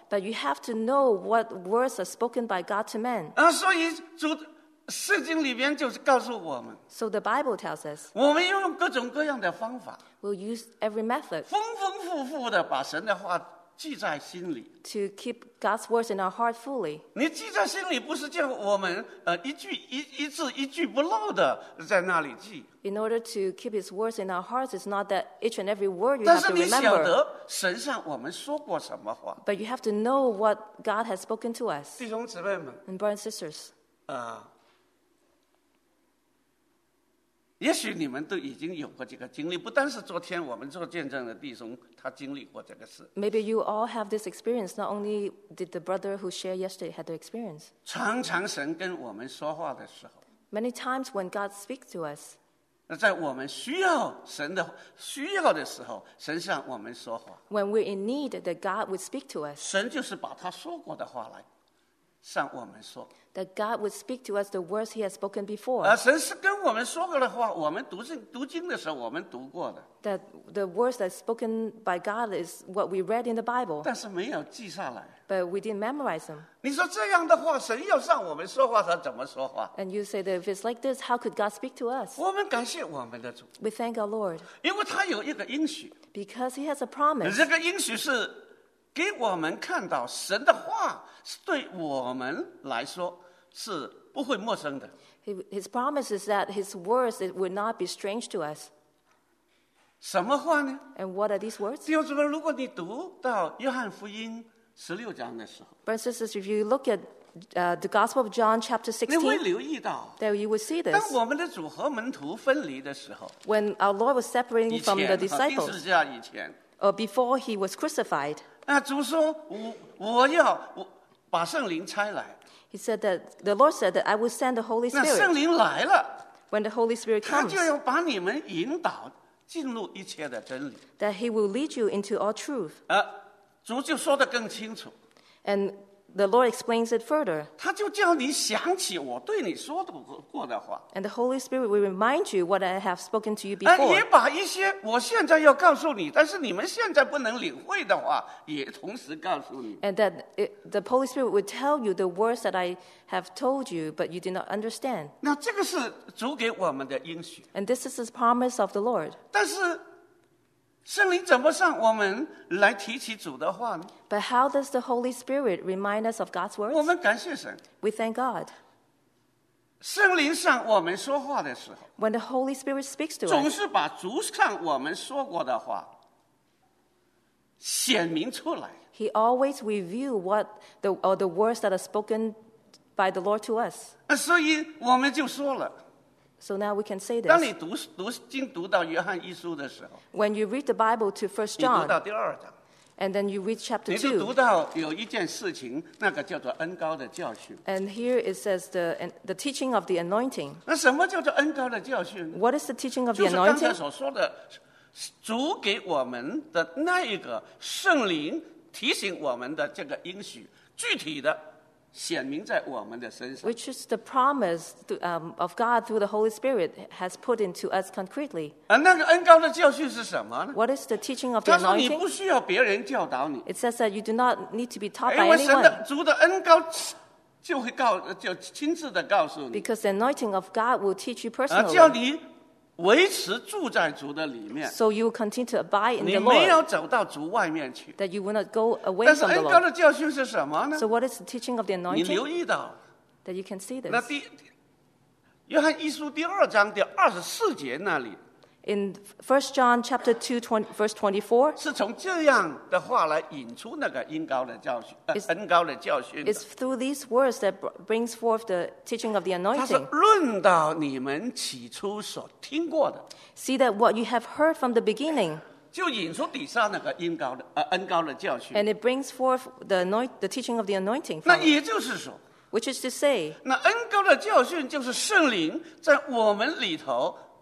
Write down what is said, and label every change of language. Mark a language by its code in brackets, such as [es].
[en] But you have to know what words are spoken by God to men. [zh] 所以主圣经里边就是告诉我们 [en] ，So the Bible tells us， [zh] 我们要用各种各样的方法 [en] ，We'll use every method， [zh] 丰丰富富的把神的话记在心里 [en] ，To keep God's words in our heart fully。 [zh] 你记在心里不是叫我们一句一字一句不漏的在那里记 [en] ，In order to keep His words in our hearts, it's not that each and every word you have to remember。 [zh] 但是你晓得神上我们说过什么话 [en] ，But you have to know what God has spoken to us。 [zh] 弟兄姊妹们 [en] ，And brothers and sisters， [zh] 也许你们都已经有过这个经历，不单是昨天我们做见证的弟兄，他经历过这个事。 [en] Maybe you all have this experience. Not only did the brother who shared yesterday had the experience. [zh] 常常神跟我们说话的时候 [en] ，Many times when God speaks to us， [zh] 那在我们需要神的需要的时候，神向我们说话。 [en] When we're in need, that God would speak to us. [zh] 神就是把他说过的话来向我们说。 [en] That God would speak to us the words He has spoken before. [zh] 神是跟我们说过的话，我们读经的时候我们读过的。 [en] That the words that spoken by God is what we read in the Bible. [zh] 但是没有记下来。 [en] But we didn't memorize them. [zh] 你说这样的话，神要向我们说话，他怎么说话 [en] ？And you say that if it's like this, how could God speak to us? [zh] 我们感谢我们的主。 [en] We thank our Lord. [zh] 因为他有一个应许。 [en] Because He has a promise. [zh] 这个应许是。给我们看到神的话是对我们来说是不会陌生的。 [en] His promise is that His words it would not be strange to us. [zh] 什么话呢 [en] ？And what are these words? [zh] 弟兄姊妹，如果你读到约翰福音十六章的时候 [en] ，Brothers and sisters, if you look at the Gospel of John chapter 16, [zh] 你会留意到 [en] ，that you would see this. [zh] 当我们的主和门徒分离的时候 [en] ，when our Lord was separating from the disciples, [zh] 以前和钉十字架以前 [en] ，or before He was crucified. [zh] 主说 我要把圣灵差来。 [en] He said that the Lord said that I will send the Holy Spirit. [zh] 那圣灵来了 [en] ，when the Holy Spirit comes, [zh] 他就要把你们引导进入一切的真理。 [en] That He will lead you into all truth. [zh] 主就说得更清楚。 [en] And the Lord explains it further. [zh] 他就叫你想起我对你说过的话。 [en] And the Holy Spirit will remind you what I have spoken to you before. [zh] 也把一些我现在要告诉你，但是你们现在不能领会的话，也同时告诉你。 [en] And that the Holy Spirit will tell you the words that I have told you, but you did not understand. [zh] 那这个是主给我们的应许。 [en] And this is the promise of the Lord. [zh] 但是圣灵怎么向我们来提起主的话呢 [en] ？But how does the Holy Spirit remind us of God's words？ [zh] 我们感谢神。 [en] We thank God。 [zh] 圣灵向我们说话的时候 [en] ，When the Holy Spirit speaks to us， [zh] 总是把主向我们说过的话显明出来。 [en] He always reveal what the or the words that are spoken by the Lord to us。 [zh] 所以我们就说了。 [en] So now we can say this. [zh] 当你读经读到约翰一书的时候 [en] ，When you read the Bible to First John， [zh] 你读到第二章 [en] ，And then you read chapter two， [zh] 你就读到有一件事情，那个叫做恩膏的教训。 [en] And here it says the teaching of the anointing. [zh] 那什么叫做恩膏的教训 [en] ？What is the teaching of the anointing？ [zh] 就是刚才所说的，主给我们的那一个圣灵提醒我们的这个应许，具体的。显明在我们的身上 [en] ，which is the promise of God through the Holy Spirit has put into us concretely. [zh] 那个恩膏的教训是什么呢 [en] ？What is the teaching of the anointing? [zh] 他说你不需要别人教导你。 [en] It says that you do not need to be taught by anyone. [zh] 因为神的主的恩膏就会告就亲自的告诉你。 [en] Because the anointing of God will teach you personally. [zh] 叫你维持住在主的里面。 [en] So you will continue to abide in the Lord. [zh] 你没有走到主外面去。 [en] That you will not go away from the Lord. [zh] 但是恩膏的教训是什么呢 [en] ？So what is the teaching of the anointing? [zh] 你留意到。 [en] That you can see this. [zh] 那第约翰一书第二章第二十四节那里。 [en] In First John chapter 2:24. [zh] 是从这样的话来引出那个恩膏的教训。恩膏的教训。 [en] It's through these words that brings forth the teaching of the anointing. [zh] 它是论到你们起初所听过的。 [en] See that what you have heard from the beginning. [zh] 就引出底下那个恩膏的恩膏的教训。 [en] And it brings forth the teaching of the anointing. [zh] 那也就是说。 [en] Which is to say. [zh] 那恩膏的教训就是圣灵在我们里头。